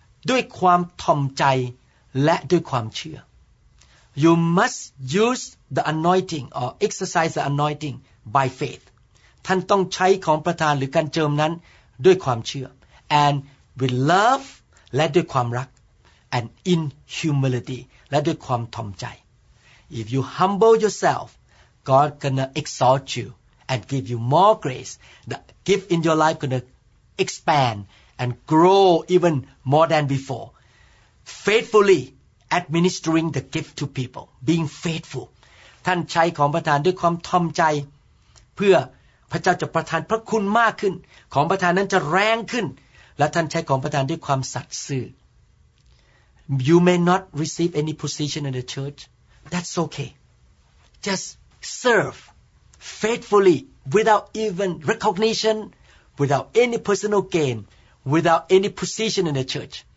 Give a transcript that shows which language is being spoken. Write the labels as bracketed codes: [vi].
[th] ด้วยความถ่อมใจและด้วยความเชื่อ [en] You must use the anointing or exercise the anointing by faith [th] ท่านต้องใช้ของประทานหรือการเจิมนั้นด้วยความเชื่อ [en] and with love [th] และด้วยความรัก [en] and in humility [th] และด้วยความถ่อมใจ [en] If you humble yourself, God gonna exalt you and give you more grace. The gift in your life gonna expand and grow even more than before. Faithfully administering the gift to people, being faithful. [th] ท่านใช้ของประทานด้วยความถ่อมใจเพื่อพระเจ้าจะประทานพระคุณมากขึ้นของประทานนั้นจะแรงขึ้นและท่านใช้ของประทานด้วยความสัตย์ซื่อ [en] You may not receive any position in the church. That's okay. Just serve faithfully without even recognition, without any personal gain, without any position in the church.